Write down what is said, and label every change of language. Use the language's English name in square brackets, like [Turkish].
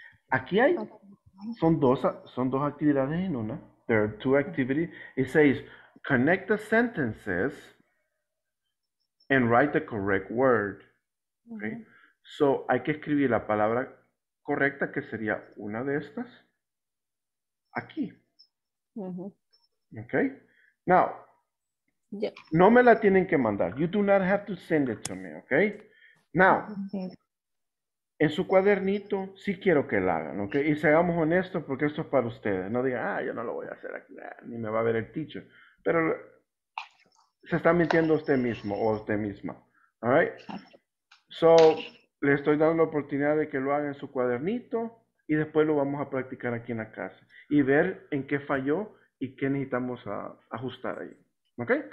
[Spanish] Aquí hay, son dos actividades en una. [English] There are two activities. It says, connect the sentences and write the correct word. Okay? [Spanish] So, hay que escribir la palabra correcta, que sería una de estas. [English] Aquí. Okay? Now, yeah. [Spanish] No me la tienen que mandar. [English] You do not have to send it to me, okay? [Spanish] Now, en su cuadernito, sí quiero que la hagan, ¿ok? Y seamos honestos porque esto es para ustedes. No digan, ah, yo no lo voy a hacer aquí, ni me va a ver el teacher. Pero se está mintiendo usted mismo o usted misma, ¿all right? So, le estoy dando la oportunidad de que lo haga en su cuadernito y después lo vamos a practicar aquí en la casa y ver en qué falló y qué necesitamos a ajustar ahí, ¿ok?